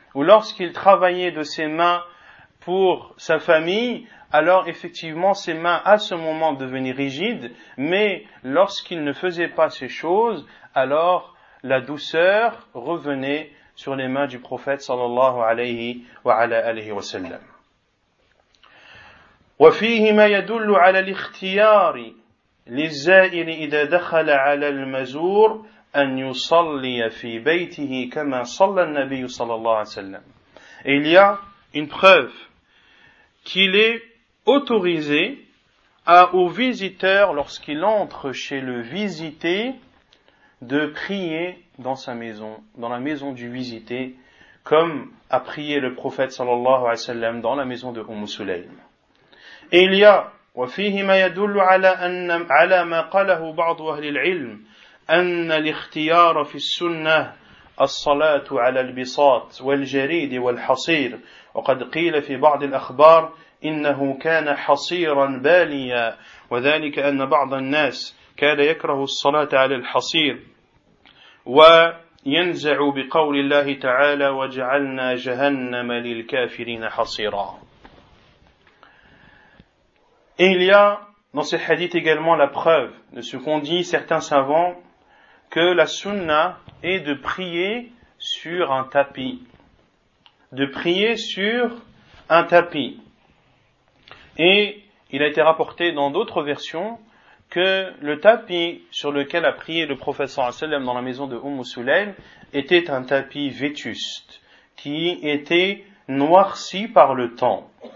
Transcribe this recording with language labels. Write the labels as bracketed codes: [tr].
[fr] ou lorsqu'il travaillait de ses mains pour sa famille, alors effectivement ses mains à ce moment devenaient rigides, mais lorsqu'il ne faisait pas ces choses, alors la douceur revenait sur les mains du prophète sallallahu alayhi wa ala alayhi wa sallam. [ar] وفيه ما يدل على الاختيار للزائر إذا دخل على المزور أن يصلي في بيته كما صلى النبي صلى الله عليه وسلم. [fr] Il y a une preuve qu'il est autorisé au visiteur lorsqu'il entre chez le visité de prier dans sa maison, dans la maison du visité, comme a prié le prophète صلى الله عليه وسلم dans la maison de Umm Sulaym. Il y a, [ar] وفيه ما يدل على أن على ما قاله بعض أهل العلم أن الاختيار في السنة الصلاة على البساط والجريد والحصير وقد قيل في بعض الأخبار إنه كان حصيرا باليا وذلك أن بعض الناس كان يكره الصلاة على الحصير وينزع بقول الله تعالى وجعلنا جهنم للكافرين حصيرا. [fr] Et il y a dans ce hadith également la preuve de ce qu'ont dit certains savants que la sunna est de prier sur un tapis. De prier sur un tapis. Et il a été rapporté dans d'autres versions que le tapis sur lequel a prié le prophète sallallahu alayhi wa sallam dans la maison de Umm Sulaym était un tapis vétuste qui était noirci par le temps.